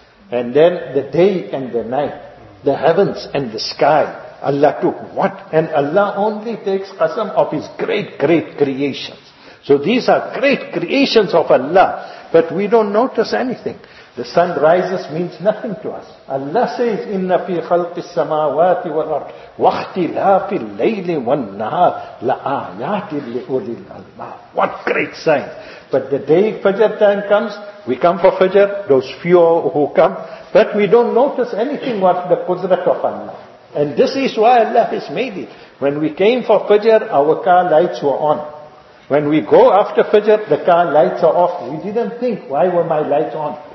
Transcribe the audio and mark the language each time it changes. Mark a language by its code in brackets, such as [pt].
[en] And then the day and the night. The heavens and the sky. Allah took what? And Allah only takes qasam of His great, great creations. So these are great creations of Allah. But we don't notice anything. The sun rises means nothing to us. Allah says, [ar] إِنَّ فِي خَلْقِ السَّمَاوَاتِ وَالْأَرْضِ وَاخْتِلَافِ اللَّيْلِ وَالنَّهَارِ لَآيَاتٍ لِأُولِي الْأَلْبَابِ. [en] What great signs. But the day Fajr time comes, we come for Fajr, those few who come, but we don't notice anything what the Qudrat of Allah. And this is why Allah has made it. When we came for Fajr, our car lights were on. When we go after Fajr, the car lights are off. We didn't think, why were my lights on?